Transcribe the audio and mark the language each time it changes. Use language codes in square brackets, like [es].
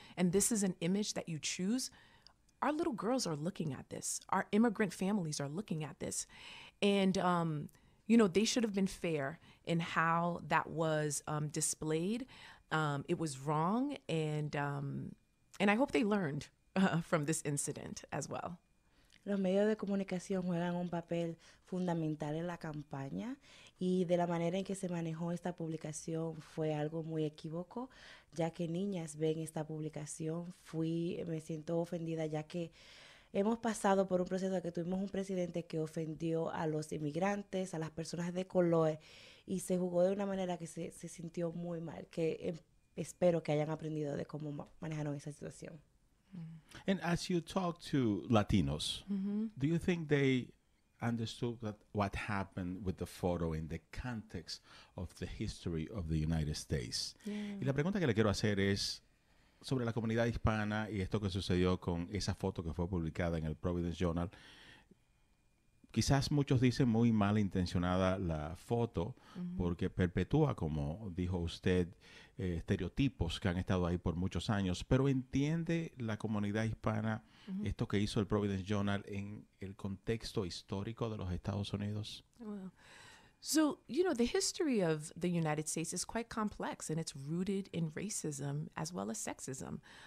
[en] And this is an image that you choose. Our little girls are looking at this. Our immigrant families are looking at this. And, you know, they should have been fair in how that was displayed. It was wrong, and I hope they learned from this incident as well. [es] Los medios de comunicación juegan un papel fundamental en la campaña, y de la manera en que se manejó esta publicación fue algo muy equívoco, ya que niñas ven esta publicación. Me siento ofendida, ya que hemos pasado por un proceso que tuvimos un presidente que ofendió a los inmigrantes, a las personas de color, y se jugó de una manera que se sintió muy mal, que espero que hayan aprendido de cómo manejaron esa situación. [en] And as you talk to Latinos, do you think they understood that what happened with the photo in the context of the history of the United States? Yeah. [es] Y la pregunta que le quiero hacer es sobre la comunidad hispana y esto que sucedió con esa foto que fue publicada en el Providence Journal. Quizás muchos dicen muy mal intencionada la foto, porque perpetúa, como dijo usted, estereotipos que han estado ahí por muchos años. Pero ¿entiende la comunidad hispana esto que hizo el Providence Journal en el contexto histórico de los Estados Unidos? [en] So, you know, the history of the United States is quite complex, and it's rooted in racism as well as sexism.